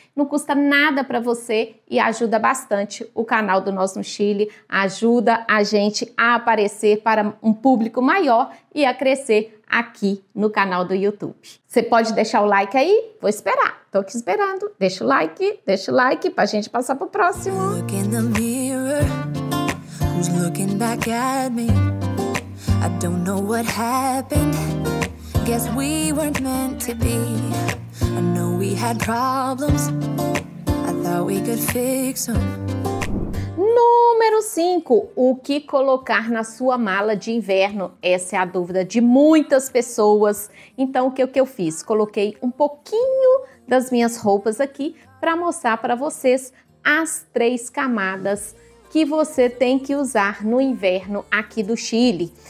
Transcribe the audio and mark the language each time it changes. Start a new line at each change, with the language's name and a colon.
Portuguese: Não custa nada para você e ajuda bastante o canal do Nós no Chile, ajuda a gente a aparecer para um público maior e a crescer aqui no canal do YouTube. Você pode deixar o like aí? Vou esperar. Tô aqui esperando. Deixa o like pra gente passar pro próximo.
English: Look in the mirror, who's looking back at me? I don't know what happened. Guess we weren't meant to be. I know we had problems. I thought we could fix them.
Portuguese: Número 5, o que colocar na sua mala de inverno? Essa é a dúvida de muitas pessoas. Então, o que eu fiz? Coloquei um pouquinho das minhas roupas aqui para mostrar para vocês as três camadas que você tem que usar no inverno aqui do Chile.